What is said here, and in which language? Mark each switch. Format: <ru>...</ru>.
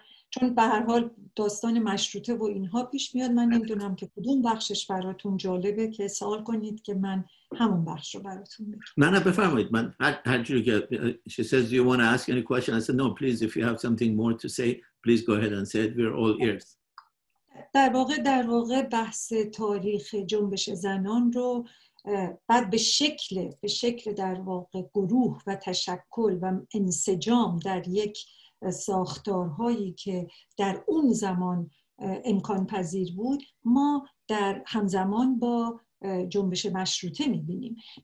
<fa>چون به هر حال داستان مشروطه و اینها پیش میاد من نمیدونم که کدوم بخشش براتون جالبه که سوال کنید که من همون بخش رو براتون بگم. نه بفرمایید. من هر جوری که</fa> <en>she says do you want to ask any question, I said no please, if you have something more to say please go ahead and say it, we're all ears.</en> <fa>در واقع بحث تاریخ جنبش زنان رو بعد به شکل در واقع گروه و تشکل و انسجام در یک ساختارهایی که در اون زمان امکان پذیر بود ما در همزمان با جنبش مشروطه میبینیم</fa>